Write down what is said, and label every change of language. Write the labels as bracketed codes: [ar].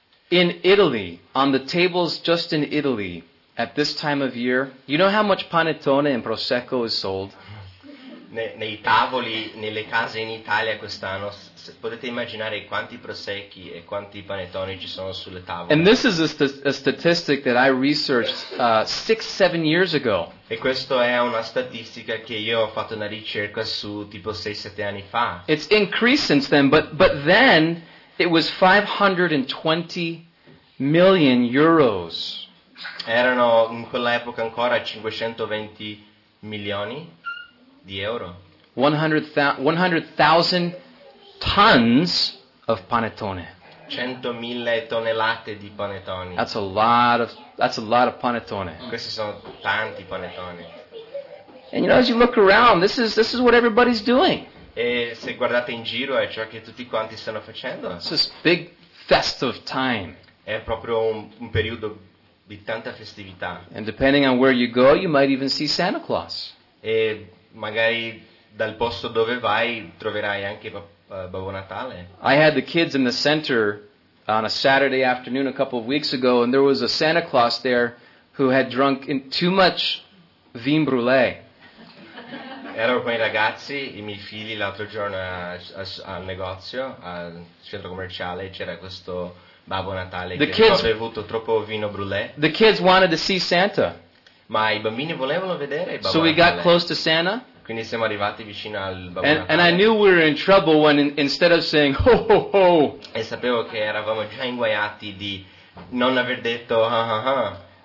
[en] In Italy, on the tables just in Italy, at this time of year, you know how much panettone and prosecco is sold? [it] Nei tavoli, nelle case in Italia quest'anno, potete immaginare quanti prosecchi e quanti panettoni ci sono sulle tavole. [en] And this is a statistic that I researched 6-7 years ago. [it] E questo è una statistica che io ho fatto una ricerca su tipo 6-7 anni fa. [en] It's increased since then, but then it was 520 million euros. [it] Erano in quell'epoca ancora 520 milioni di euro. [en] 100,000 tons of panettone. [it] 100,000 tonnellate di panettone. [en] That's a lot of panettone. [it] Questi sono tanti panettone. [en] And you know, as you look around, this is what everybody's doing. [it] E se guardate in giro è ciò che tutti quanti stanno facendo. [en] It's this big festive time. [it] È proprio un periodo di tanta festività. [en] And depending on where you go, you might even see Santa Claus. [it] E magari dal posto dove vai troverai anche Babbo Natale. [en] I had the kids in the center on a Saturday afternoon a couple of weeks ago, and there was a Santa Claus there who had drunk too much vin brulee. [it] Ero con i ragazzi, i miei figli, l'altro giorno al negozio, al centro commerciale, c'era questo Babbo Natale che aveva bevuto troppo vino brulé. [en] The kids wanted to see Santa. [it] Ma i bambini volevano vedere il Babbo [en] Natale. So we got close to Santa. [it] Quindi siamo arrivati vicino al Babbo Natale. [en] And I knew we were in trouble when instead of saying ho ho ho. [it] E sapevo che eravamo già inguaiati di non aver detto ha ha ha.